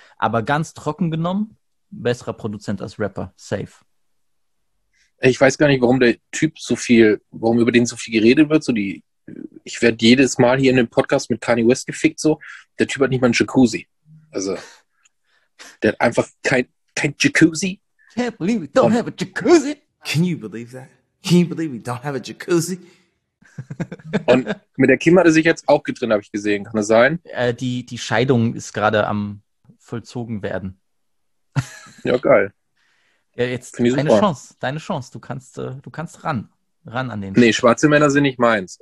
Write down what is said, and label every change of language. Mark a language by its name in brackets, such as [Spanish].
[German] Aber ganz trocken genommen, besserer Produzent als Rapper. Safe. Ich weiß gar nicht, warum über den so viel geredet wird, ich werde jedes Mal hier in dem Podcast mit Kanye West gefickt, so. Der Typ hat nicht mal einen Jacuzzi. Also, der hat einfach kein Jacuzzi. [English] Can't believe we don't have a Jacuzzi. Can you believe that? Can you believe we don't have a Jacuzzi? [German] Und mit der Kim hat er sich jetzt auch getrennt, habe ich gesehen. Kann das sein? Die Scheidung ist gerade am vollzogen werden. Ja, geil. Ja, jetzt deine Chance. Du kannst ran an den. Nee, schwarze Männer sind nicht meins.